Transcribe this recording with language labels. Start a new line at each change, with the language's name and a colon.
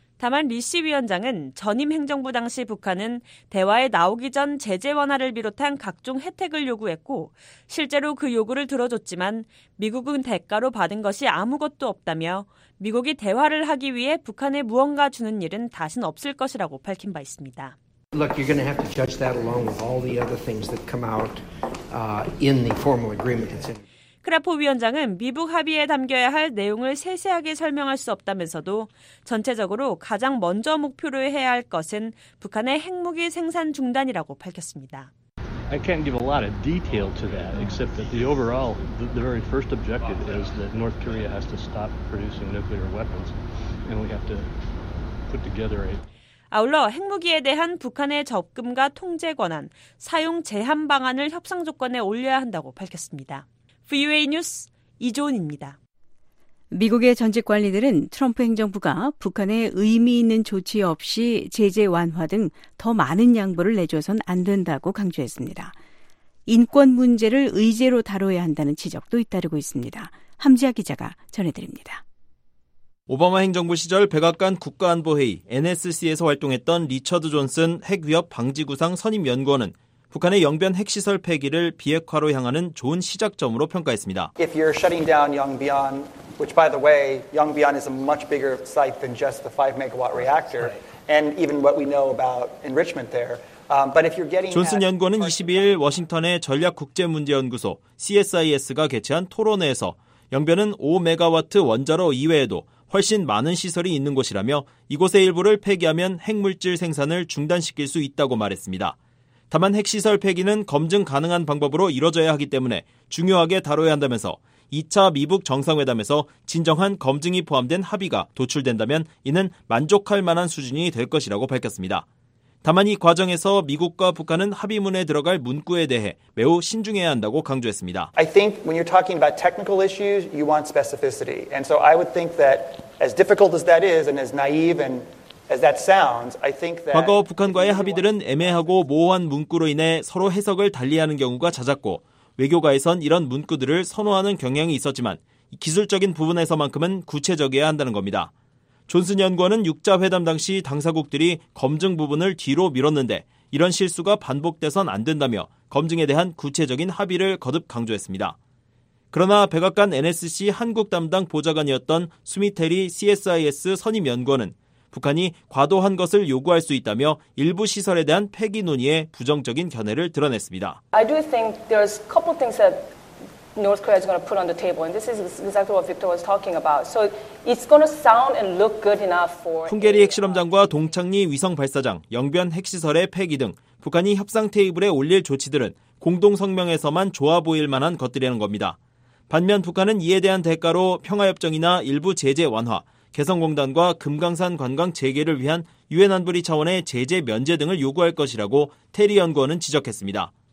Korean: 다만 리시 위원장은 전임 행정부 당시 북한은 대화에 나오기 전 제재 완화를 비롯한 각종 혜택을 요구했고 실제로 그 요구를 들어줬지만 미국은 대가로 받은 것이 아무것도 없다며 미국이 대화를 하기 위해 북한에 무언가 주는 일은 다신 없을 것이라고 밝힌 바 있습니다.
English: Look, you're going to have to judge that along with all the other things that come out in the formal agreement.
Korean: 크라포 위원장은 미북 합의에 담겨야 할 내용을 세세하게 설명할 수 없다면서도 전체적으로 가장 먼저 목표로 해야 할 것은 북한의 핵무기 생산 중단이라고 밝혔습니다.
English: I can't give a lot of detail to that except that the overall the very first objective is that North Korea has to stop producing nuclear weapons and we have to put together a
Korean: 아울러 핵무기에 대한 북한의 접근과 통제 권한, 사용 제한 방안을 협상 조건에 올려야 한다고 밝혔습니다. VOA 뉴스 이조은입니다. 미국의 전직 관리들은 트럼프 행정부가 북한에 의미 있는 조치 없이 제재 완화 등 더 많은 양보를 내줘선 안 된다고 강조했습니다. 인권 문제를 의제로 다뤄야 한다는 지적도 잇따르고 있습니다. 함지아 기자가 전해드립니다. 오바마 행정부 시절 백악관 국가안보회의 NSC에서 활동했던 리처드 존슨 핵위협 방지구상 선임연구원은 북한의 영변 핵시설 폐기를 비핵화로 향하는 좋은 시작점으로 평가했습니다.
English: If you're shutting down Yongbyon, which by the way, Yongbyon is a much bigger site than just the 5 megawatt reactor and even what we know about enrichment there. But if you're getting
Korean: 존슨 연구원은 22일 워싱턴의 전략 국제 문제 연구소 CSIS가 개최한 토론회에서 영변은 5메가와트 원자로 이외에도 훨씬 많은 시설이 있는 곳이라며 이곳의 일부를 폐기하면 핵물질 생산을 중단시킬 수 있다고 말했습니다. 다만 핵시설 폐기는 검증 가능한 방법으로 이뤄져야 하기 때문에 중요하게 다뤄야 한다면서 2차 미북 정상회담에서 진정한 검증이 포함된 합의가 도출된다면 이는 만족할 만한 수준이 될 것이라고 밝혔습니다. 다만 이 과정에서 미국과 북한은 합의문에 들어갈 문구에 대해 매우 신중해야 한다고 강조했습니다.
English: I think when you're talking about technical issues, you want specificity. And so I would think that as difficult as that is and as naive and As that sounds, I think that
Korean: 과거 북한과의 합의들은 애매하고 모호한 문구로 인해 서로 해석을 달리하는 경우가 잦았고 외교가에선 이런 문구들을 선호하는 경향이 있었지만 기술적인 부분에서만큼은 구체적이어야 한다는 겁니다. 존슨 연구원은 6자 회담 당시 당사국들이 검증 부분을 뒤로 밀었는데 이런 실수가 반복돼선 안 된다며 검증에 대한 구체적인 합의를 거듭 강조했습니다. 그러나 백악관 NSC 한국 담당 보좌관이었던 수미테리 CSIS 선임 연구원은 북한이 과도한 것을 요구할 수 있다며 일부 시설에 대한 폐기 논의에 부정적인 견해를 드러냈습니다.
English: I do think there's a couple things that North Korea is going to put on the table and this is exactly what Victor was talking about. So it's going to sound and look good enough for
Korean: 풍계리 핵실험장과 동창리 위성 발사장, 영변 핵시설의 폐기 등 북한이 협상 테이블에 올릴 조치들은 공동 성명에서만 좋아 보일 만한 것들이라는 겁니다. 반면 북한은 이에 대한 대가로 평화 협정이나 일부 제재 완화 개성공단과 금강산 관광 재개를 위한 유엔 안보리 차원의 제재 면제 등을 요구할 것이라고 테리 연구원은 지적했습니다.